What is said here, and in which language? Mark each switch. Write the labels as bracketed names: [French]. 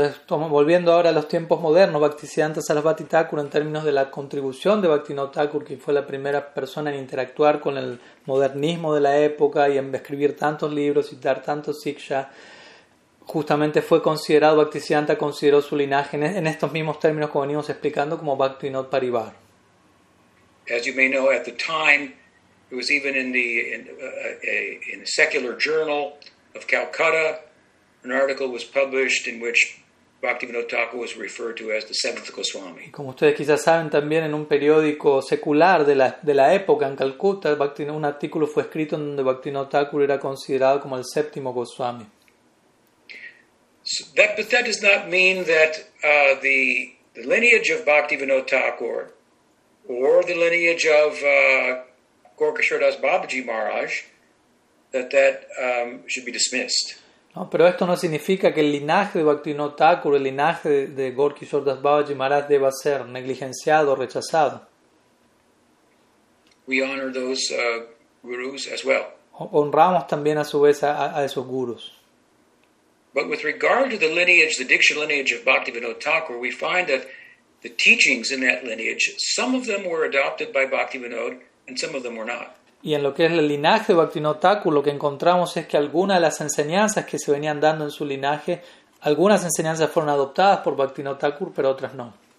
[Spanish] Entonces, volviendo ahora a los tiempos modernos, Bhaktisiddhanta Saraswati Thakur, en términos de la contribución de Bhaktivinoda Thakur, quien fue la primera persona en interactuar con el modernismo de la época y en escribir tantos libros y dar tantos siksha, justamente fue considerado, Bhaktisiddhanta consideró su linaje en estos mismos términos que venimos explicando como Bhaktivinoda Parivar. [English] As you may know, at the time, it was even in a secular journal of Calcutta, an article was published in which Bhaktivinoda Thakur was referred to as the seventh Goswami. [Spanish] Como ustedes quizás saben, también en un periódico secular de la época en Calcuta, un artículo fue escrito en donde Bhaktivinoda Thakur era considerado como el séptimo Goswami. [English] But that does not mean that the lineage of Bhaktivinoda Thakur or the lineage of Gorkhasurdas Babaji Maharaj that should be dismissed. [Spanish] No, pero esto no significa que el linaje de Bhaktivinoda Thakur, el linaje de Gorkhasurdas Babaji Maharaj deba ser negligenciado o rechazado. [English] We honor those gurus as well. [Spanish] Honramos también a su vez a esos gurus. [English] But with regard to the lineage, the Diksha lineage of Bhaktivinoda Thakur, we find that the teachings in that lineage, some of them were adopted by Bhaktivinoda and some of them were not. [Spanish] Y en lo que es el linaje de Bhaktivinoda Thakur, lo que encontramos es que algunas de las enseñanzas que se venían dando en su linaje, algunas enseñanzas fueron adoptadas por Bhaktivinoda Thakur, pero otras no.